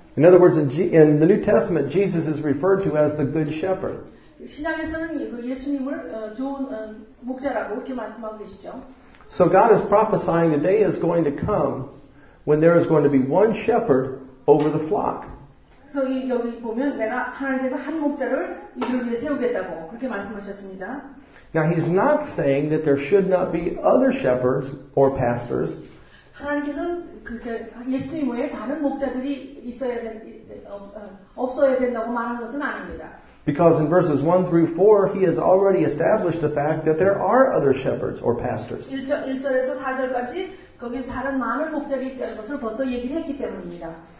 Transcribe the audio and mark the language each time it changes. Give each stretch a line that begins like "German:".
English: In other words, in the New Testament, Jesus is referred to as the Good Shepherd.
Korean: 신약에서는 예수님을 좋은 목자라고 이렇게 말씀하고 계시죠.
English: So God is prophesying the day is going to come when there is going to be one shepherd over the flock.
Korean: 그래서 여기 보면 내가 하나님께서 한 목자를 이들 위해 세우겠다고 그렇게 말씀하셨습니다.
English: Now he's not saying that there should not be other shepherds or pastors.
Korean: 하나님께서는 예수님 외에 다른 목자들이 있어야 없어야 된다고 말하는 것은 아닙니다.
English: Because in verses 1 through 4 he has already established the fact that there are other shepherds or pastors.
Korean: 1절에서 4절까지 거긴 다른 많은 목자들이 있다는 것을 벌써 얘기를 했기 때문입니다.